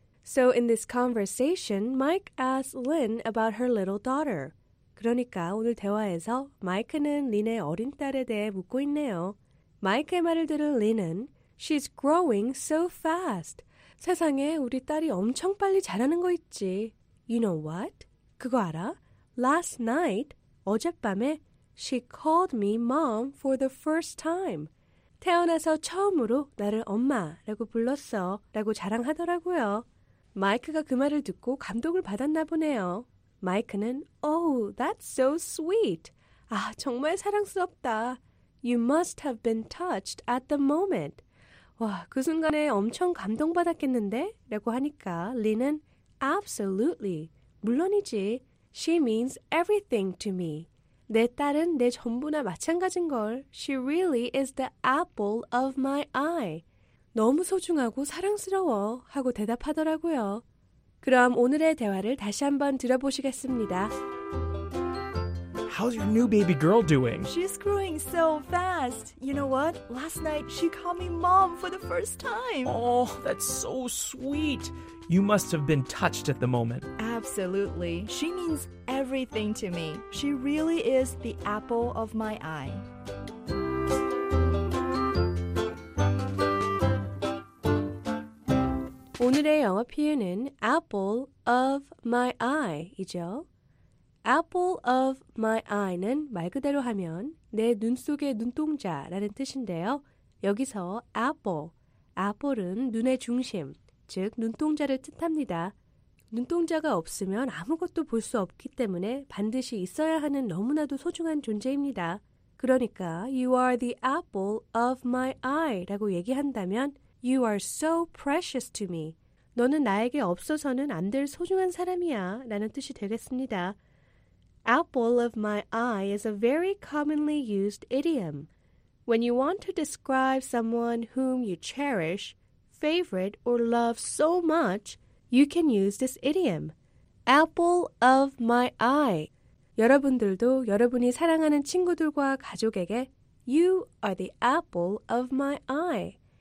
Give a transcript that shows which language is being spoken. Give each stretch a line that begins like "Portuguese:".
English: So in this conversation, Mike asked Lynn about her little daughter.
Korean: 그러니까 오늘 대화에서 마이크는 린의 어린 딸에 대해 묻고 있네요. 마이크의 말을 들은 린은
English: She's growing so fast.
Korean: 세상에 우리 딸이 엄청 빨리 자라는 거 있지.
English: You know what?
Korean: 그거 알아?
English: Last night,
Korean: 어젯밤에
English: She called me mom for the first time.
Korean: 태어나서 처음으로 나를 엄마라고 불렀어 라고 자랑하더라고요. 마이크가 그 말을 듣고 감동을 받았나 보네요. 마이크는
English: Oh, that's so sweet.
Korean: 아, 정말 사랑스럽다.
English: You must have been touched at the moment.
Korean: 와, 그 순간에 엄청 감동받았겠는데? 라고 하니까 린은
English: Absolutely.
Korean: 물론이지.
English: She means everything to me.
Korean: 내 딸은 내 전부나 마찬가지인걸.
English: She really is the apple of my eye.
Korean: 너무 소중하고 사랑스러워 하고 대답하더라고요. 그럼 오늘의 대화를 다시 한번 들어보시겠습니다.
English: How's your new baby girl doing? She's growing so fast. You know what? Last night she called me mom for the first time. Oh, that's so sweet. You must have been touched at the moment. Absolutely. She means everything to me. She really is the apple of my eye.
Korean: 오늘의 영어 표현은 apple of my eye이죠. Apple of my eye는 말 그대로 하면 내 눈 속의 눈동자라는 뜻인데요. 여기서 apple, apple은 눈의 중심, 즉 눈동자를 뜻합니다. 눈동자가 없으면 아무것도 볼 수 없기 때문에 반드시 있어야 하는 너무나도 소중한 존재입니다. 그러니까
English: you are the apple of my eye
Korean: 라고 얘기한다면
English: you are so precious to me.
Korean: 너는 나에게 없어서는 안 될 소중한 사람이야 라는 뜻이 되겠습니다.
English: Apple of my eye is a very commonly used idiom. When you want to describe someone whom you cherish, favorite, or love so much, you can use this idiom. Apple of my eye.
Korean: 여러분들도 여러분이 사랑하는 친구들과 가족에게
English: You are the apple of my eye.